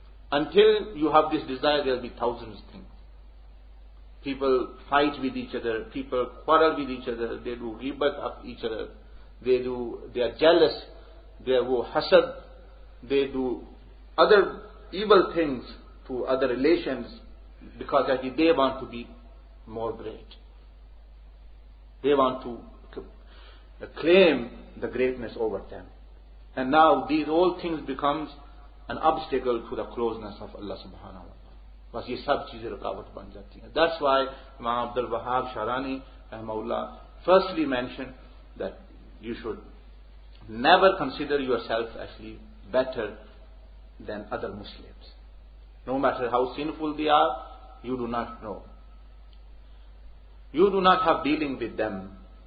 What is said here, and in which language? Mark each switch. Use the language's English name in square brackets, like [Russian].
[English] Until you have this desire, there will be thousands of things. People fight with each other, people quarrel with each other, they do ghibat of each other, they are jealous, they are hasad, they do other evil things to other relations, because actually they want to be more great. They want to claim the greatness over them. And now these all things becomes an obstacle to the closeness of Allah subhanahu wa ta'ala. [Urdu] بس یہ سب چیزیں رکاوٹ بن جاتی ہیں. [English] That's why Imam Abdul Wahhab Shahrani Rahmahullah firstly mentioned that you should never consider yourself actually better than other Muslims. No matter how sinful they are, you do not know. You do not have dealing with them.